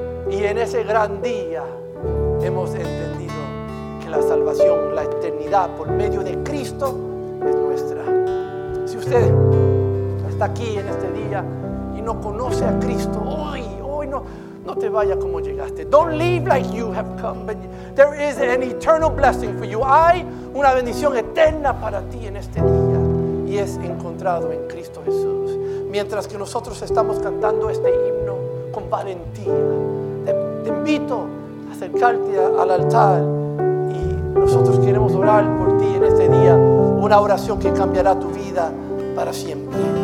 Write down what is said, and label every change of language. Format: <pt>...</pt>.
<es>Y en ese gran día hemos entendido que la salvación, la eternidad por medio de Cristo es nuestra. Si usted está aquí en este día y no conoce a Cristo, hoy no te vaya como llegaste.</es> <en>Don't leave like you have come, but there is an eternal blessing for you.</en> <es>Hay una bendición eterna para ti en este día y es encontrado en Cristo Jesús. Mientras que nosotros estamos cantando este himno con valentía, te invito acercarte al altar y nosotros queremos orar por ti en este día, una oración que cambiará tu vida para siempre.</es>